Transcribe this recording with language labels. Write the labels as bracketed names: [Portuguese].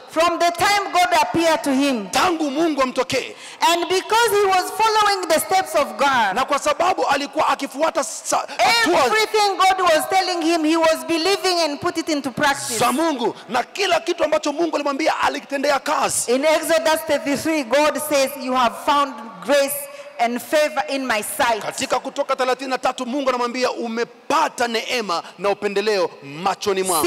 [English] From the time God appeared to him. [Swahili] Tangu Mungu amtokee. [English] And because he was following the steps of God. [Swahili] Na kwa sababu alikuwa akifuata hatua. [English] Everything God was telling him, he was believing and put it into practice. [Swahili] Sa Mungu, na kila kitu ambacho Mungu alimwambia alikitendea kazi. [English] In Exodus 33, God says, "You have found grace and favor in my sight." [Swahili] Katika Kutoka 33 Mungu anamwambia umepata neema na upendeleo machoni mwangu.